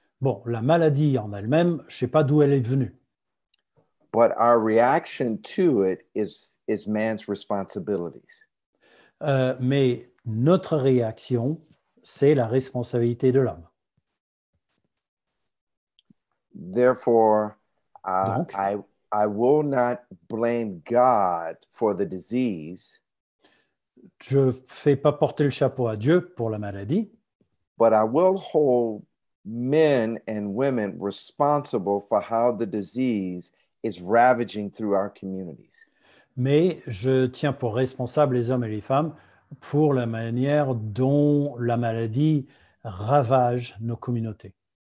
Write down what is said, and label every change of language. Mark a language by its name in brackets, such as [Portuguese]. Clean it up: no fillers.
[French] Bon, la maladie en elle-même, je ne sais pas d'où elle est venue. [English] But our reaction to it is man's responsibilities. [French] Mais notre réaction, c'est la responsabilité de l'homme. [English] Therefore, donc, I will not blame God for the disease. [French] Je ne fais pas porter le chapeau à Dieu pour la maladie. [English] But I will hold men and women responsible for how the disease is ravaging through our communities. [French] Mais je tiens pour responsable les hommes et les femmes pour la manière dont la maladie ravage nos communautés.